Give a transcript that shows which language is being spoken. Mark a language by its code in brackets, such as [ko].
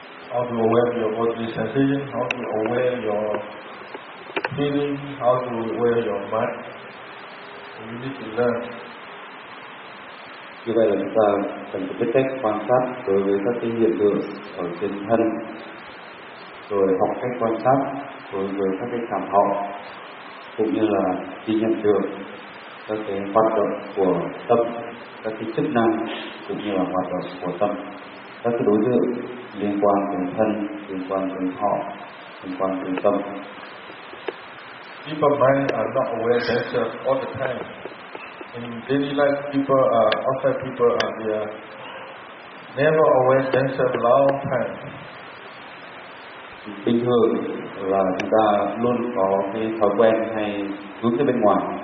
[en] How to aware your bodily sensation, how to aware your feeling, how to aware your mind. And you need to learn. [vi] Như vậy là chúng ta cần phải biết cách quan sát đối với các cái hiện tượng ở trên thân, rồi học cách quan sát đối với các cái cảm thọ, cũng như là ghi nhận được các cái hoạt động của tâm, các cái chức năng cũng như là hoạt động của tâm, các đối tượng liên quan đến thân, liên quan đến họ, liên quan đến tâm. [en] People mind are not aware themselves all the time. In daily life, people are outside people are they are never aware themselves long time. [vi] bình thường là chúng ta luôn có cái thói quen hay hướng tới bên ngoài.